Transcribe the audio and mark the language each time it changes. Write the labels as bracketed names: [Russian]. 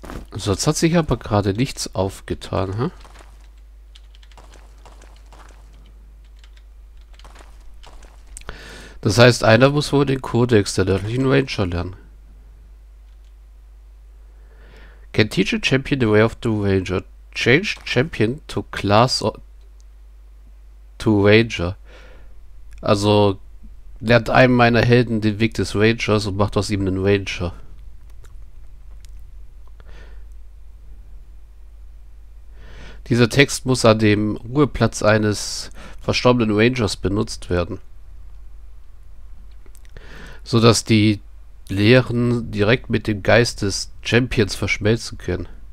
[German] Also jetzt hat sich aber gerade nichts aufgetan, hä? Das heißt, einer muss wohl den Codex der nördlichen Ranger lernen. [English] Can teach a champion the way of the Ranger. Change champion to class or to Ranger. [German] Also lernt einem meiner Helden den Weg des Rangers und macht aus ihm einen Ranger. Dieser Text muss an dem Ruheplatz eines verstorbenen Rangers benutzt werden, sodass die Lehren direkt mit dem Geist des Champions verschmelzen können.